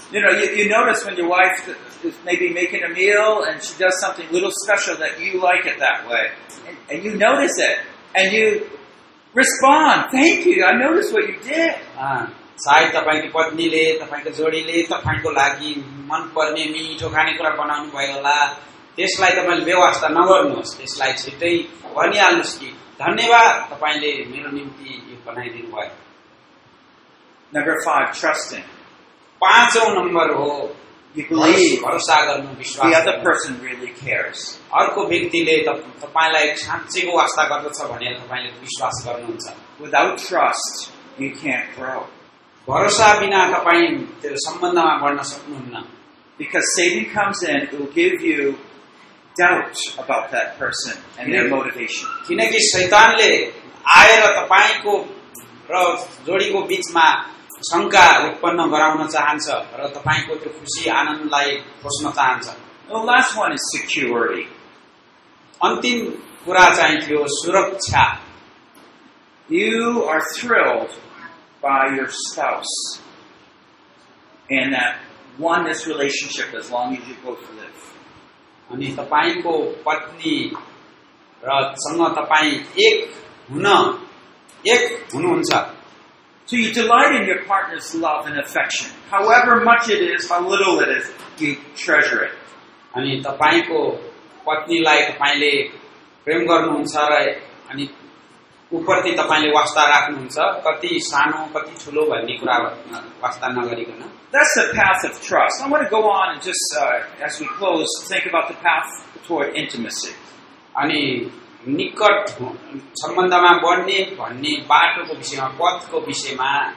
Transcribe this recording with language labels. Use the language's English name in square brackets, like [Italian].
[English] You know, you notice when your wife is maybe making a meal and she does something little special that you like it that way. And you notice it. And you respond, thank you, I noticed what you did. [Nepali] सायद तपाईँको पत्नीले तपाईँको जोडीले तपाईँको लागि मनपर्ने मिठो खानेकुरा बनाउनु भयो होला, त्यसलाई तपाईँले व्यवस्था नगर्नुहोस्, त्यसलाई छिट्टै भनिहाल्नुहोस् कि धन्यवाद तपाईँले मेरो निम्ति यो बनाइदिनु भयो. [English] Number five, trusting. [Nepali] पाँचौँ नम्बर हो भरोसा गर्नु, विश्वास. अर्को व्यक्तिले तपाईँलाई साँच्चैको वास्ता गर्दछ भनेर तपाईँले विश्वास गर्नुहुन्छ. [English] Without trust you can't grow. [Nepali] भरोसा बिना तपाईँ त्यो सम्बन्धमा बढ्न सक्नुहुन्न. [English] Because saving comes in, it will give you doubts about that person and their motivation. [Nepali] किनकि शैतानले आएर तपाईँको र जोडीको बीचमा शङ्का उत्पन्न गराउन चाहन्छ र तपाईँको त्यो खुसी आनन्दलाई खोज्न चाहन्छ. [English] Last one is security. [Nepali] अन्तिम कुरा चाहिँ थियो सुरक्षा. [English] You are thrilled by your spouse and that oneness relationship as long as you both live. [Nepali] अनि तपाईँको पत्नी र सँग तपाईँ एक हुन एक हुनुहुन्छ. [English] So you delight in your partner's love and affection. However much it is, how little it is, you treasure it. [Nepali] अनि तपाईँको पत्नीलाई तपाईँले प्रेम गर्नुहुन्छ र अनि उपरति तपाईँले वास्ता राख्नुहुन्छ, कति सानो कति ठुलो भन्ने कुरा वास्ता नगरिकन. [English] That's the path of trust. I'm going to go on and just, as we close, think about the path toward intimacy. [Nepali] अनि निकट सम्बन्धमा बढ्ने भन्ने बाटोको विषयमा, पदको विषयमा